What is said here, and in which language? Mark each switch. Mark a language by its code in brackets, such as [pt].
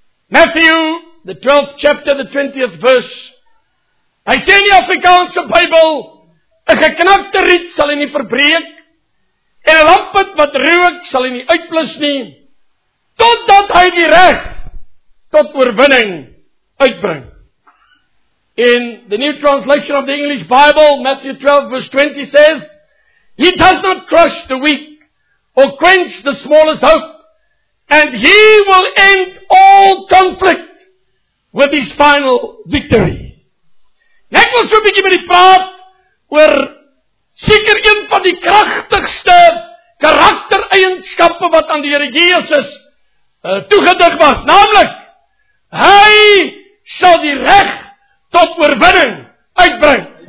[en] Matthew, the 12th chapter, the 20th verse. [af] Hy sê in die Afrikaanse Bybel, 'n geknakte riet sal hy nie verbreek, en 'n lamppunt wat rook sal hy nie uitblus nie, totdat hy die reg tot oorwinning uitbring. [en] In the New Translation of the English Bible, Matthew 12 verse 20 says, He does not crush the weak or quench the smallest hope, and He will end all conflict with His final victory. [af] Ek wil so 'n bietjie met die praat oor seker een van die kragtigste karaktereienskappe wat aan die Here Jesus toegedig was, naamlik Hy sal die reg tot oorwinning uitbring.